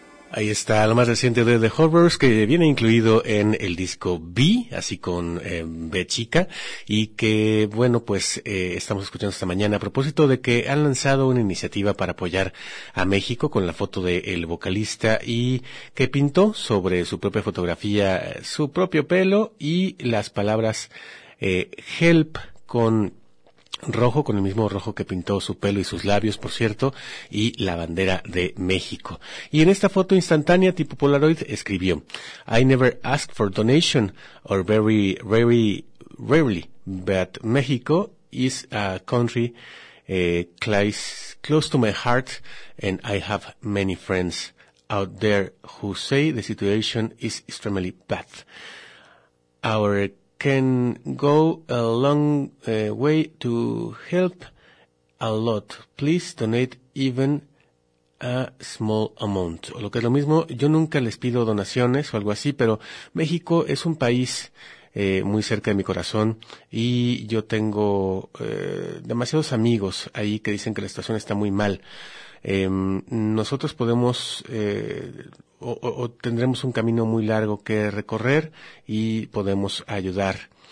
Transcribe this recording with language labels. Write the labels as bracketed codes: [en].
[es] Ahí está lo más reciente de The Horrors, que viene incluido en el disco B, así con B chica, y que, bueno, pues estamos escuchando esta mañana a propósito de que han lanzado una iniciativa para apoyar a México con la foto del vocalista, y que pintó sobre su propia fotografía su propio pelo y las palabras help con rojo, con el mismo rojo que pintó su pelo y sus labios, por cierto, y la bandera de México. Y en esta foto instantánea tipo Polaroid escribió: [en] I never ask for donation or very, very rarely, but Mexico is a country close to my heart and I have many friends out there who say the situation is extremely bad. Our can go a long way to help a lot. Please donate even a small amount. [es] O lo que es lo mismo, yo nunca les pido donaciones o algo así, pero México es un país muy cerca de mi corazón y yo tengo demasiados amigos ahí que dicen que la situación está muy mal. Nosotros podemos o tendremos un camino muy largo que recorrer y podemos ayudar.